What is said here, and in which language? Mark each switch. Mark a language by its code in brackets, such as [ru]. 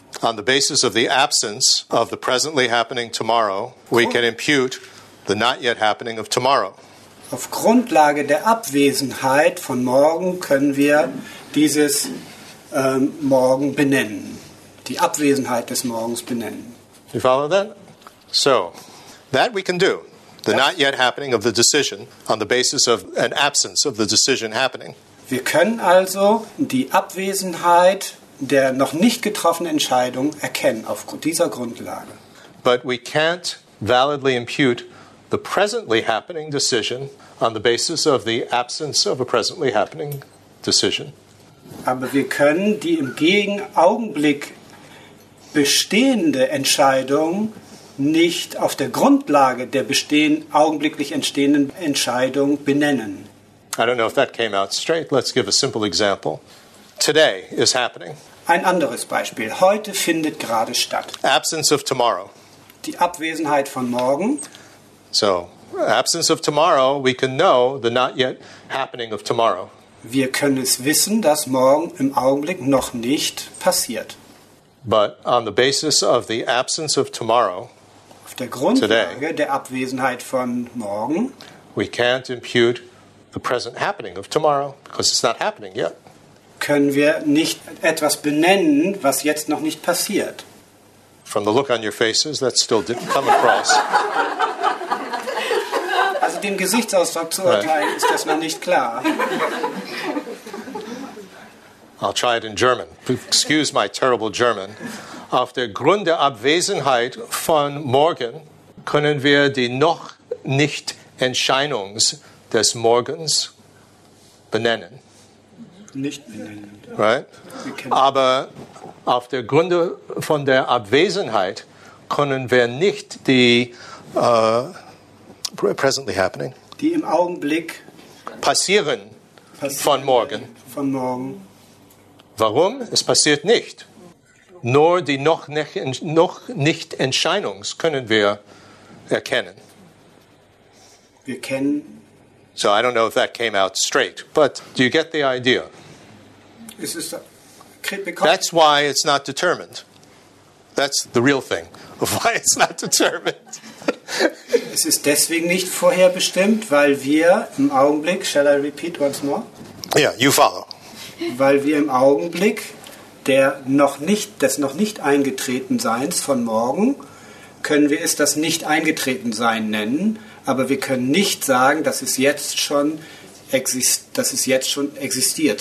[en] On the basis of the absence of the presently happening tomorrow, we can impute the not yet happening of tomorrow. [de] Auf Grundlage der Abwesenheit von morgen können wir dieses Morgen benennen, die Abwesenheit des Morgens benennen. [en] You follow that? So, that we can do. The not yet happening of the decision on the basis of an absence of the decision happening. [de] Wir können also die Abwesenheit der noch nicht getroffenen Entscheidung erkennen auf dieser Grundlage. [en] But we can't validly impute the presently happening decision on the basis of the absence of a presently happening decision. [de] Aber wir können die im Gegenaugenblick bestehende Entscheidung nicht auf der Grundlage der augenblicklich entstehenden Entscheidung benennen. [en] I don't know if that came out straight. Let's give a simple example. Today is happening. [de] Ein anderes Beispiel. Heute findet gerade statt. [en] Absence of tomorrow. [de] Die Abwesenheit von morgen. [en] So, absence of tomorrow, we can know the not yet happening of tomorrow. [de] Wir können es wissen, dass morgen im Augenblick noch nicht passiert. [en] But on the basis of the absence of tomorrow, [de] auf der Grundlage der Abwesenheit von morgen, [en] we can't impute the present happening of tomorrow because it's not happening yet. [de] Können wir nicht etwas benennen, was jetzt noch nicht passiert? [en] From the look on your faces, that still didn't come across. [de] Also dem Gesichtsausdruck zu urteilen, ist das noch nicht klar. [en] I'll try it in German. Excuse my terrible German. [de] Auf der Grund der Abwesenheit von morgen können wir die noch nicht Entscheidungs des Morgens benennen. Nicht benennen. [en] Right? [de] Aber auf der Grund von der Abwesenheit können wir nicht die [en] presently happening. [de] Die im Augenblick passieren von morgen. Von morgen. Warum? Es passiert nicht. Nur die noch nicht Entscheidungs können wir erkennen. Wir kennen. [en] So I don't know if that came out straight, but do you get the idea? That's why it's not determined. That's the real thing of why it's not determined. [de] Es ist deswegen nicht vorherbestimmt, weil wir im Augenblick, [en] shall I repeat once more? Yeah, you follow. [de] Weil wir im Augenblick des noch nicht eingetreten Seins von morgen können wir es das nicht eingetreten Sein nennen, aber wir können nicht sagen, dass es jetzt schon existiert.